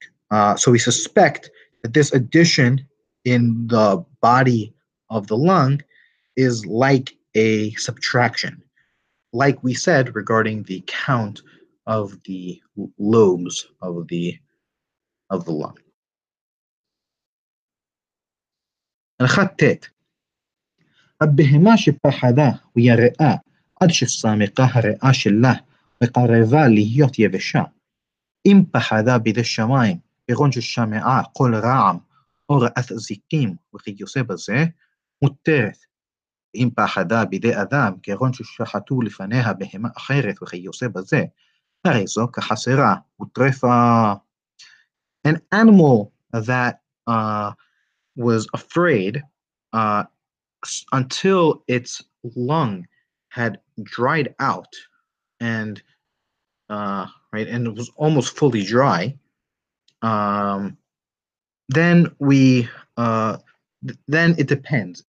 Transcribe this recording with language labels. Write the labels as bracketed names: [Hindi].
[English] So we suspect that this addition in the body of the lung is like a subtraction, like we said regarding the count of the lobes of the lung. [Hebrew] הבהמה שפחדה ויראה עד שסמיקה הראה שלה וקרבה להיות יבשה. אם פחדה בידי שמיים, כגון ששמעה כל רעם או ראת זיקים וכיוצא בזה, מותרת. אם פחדה בידי אדם, כגון ששחטו לפניה בהמה אחרת וכיוצא בזה, הרי זו כחסרה וטרפה. [English] An animal that was afraid until its lung had dried out and right, and it was almost fully dry, then it depends.